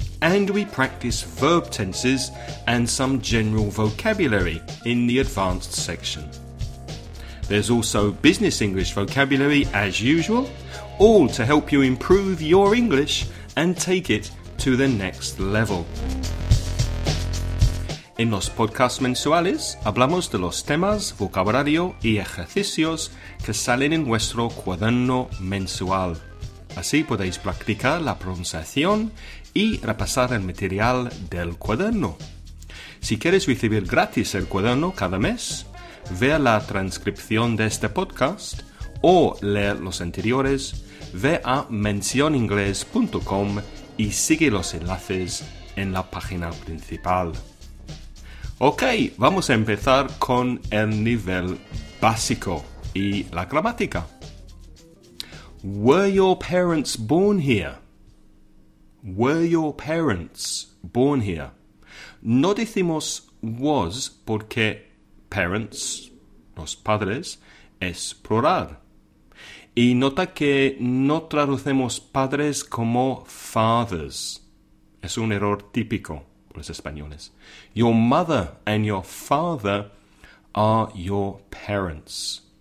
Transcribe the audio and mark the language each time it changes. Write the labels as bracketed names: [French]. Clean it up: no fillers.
[English] And we practice verb tenses and some general vocabulary in the advanced section. There's also business English vocabulary as usual, all to help you improve your English and take it to the next level. [Spanish] En los podcasts mensuales hablamos de los temas, vocabulario y ejercicios que salen en nuestro cuaderno mensual. Así podéis practicar la pronunciación y repasar el material del cuaderno. Si quieres recibir gratis el cuaderno cada mes, ve la transcripción de este podcast o leer los anteriores, ve a mencioningles.com y sigue los enlaces en la página principal. Ok, vamos a empezar con el nivel básico y la gramática. [English] ¿Were your parents born here? ¿Were your parents born here? [Spanish] No decimos was porque parents, los padres, es plural. Y nota que no traducemos padres como fathers. Es un error típico por los españoles. [English] Your mother and your father are your parents.